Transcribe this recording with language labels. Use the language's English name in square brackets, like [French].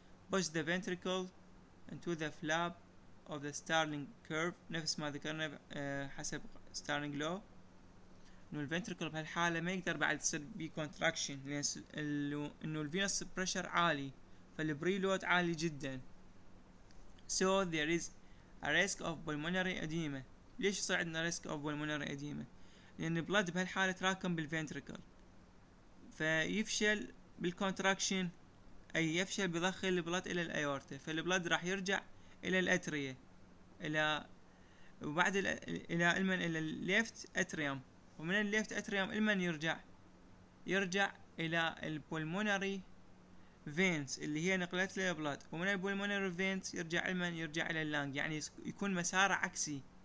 [English] push the ventricle into the flap of the Starling curve، [Arabic] نفس ما ذكرنا حسب Starling law، إنه الventricle بهالحالة ما يقدر بعد يصير ب contraction، لأن إنه venous pressure عالي، فالبريلود عالي جدا. [English] So there is a risk of pulmonary edema. [Arabic] ليش صار عندنا [English] risk of pulmonary edema؟ [Arabic] لأن blood بهالحالة تراكم بالventricle، فيفشل بالcontraction، أي يفشل بضخ البلد إلى الأيورتا، فالبلد راح يرجع الى الاتريا، الى وبعد الى المن، الى الليفت اتريوم، ومن الليفت اتريوم المن يرجع الى البولموناري فينز اللي هي نقلت له البلد، ومن البولموناري فينز يرجع المن يرجع الى اللانج، يعني يكون مسار عكسي،